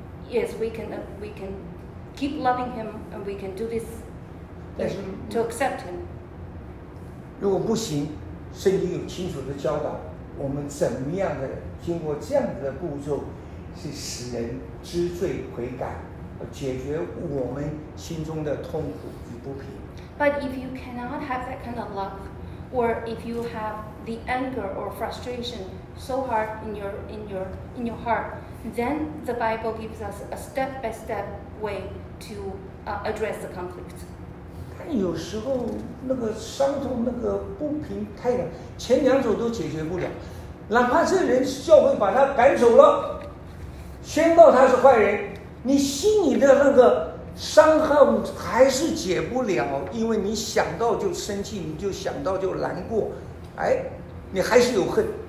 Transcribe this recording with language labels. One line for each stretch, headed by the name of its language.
English: Yes, we can keep loving him, and we can do this to accept him.
Chinese: 如果不行，圣经有清楚的教导，我们怎么样的经过这样子的步骤，是使人知罪悔改。解决我们心中的痛苦与不平。
English: But if you cannot have that kind of love, or if you have the anger or frustration so hard in your heart, then the Bible gives us a step-by-step way to address the conflict.
Chinese: 但有时候那个伤痛、那个不平太难，前两种都解决不了。哪怕这人教会把他赶走了，宣告他是坏人。你心里的那个伤痕还是解不了，因为你想到就生气，你就想到就难过，哎，你还是有恨。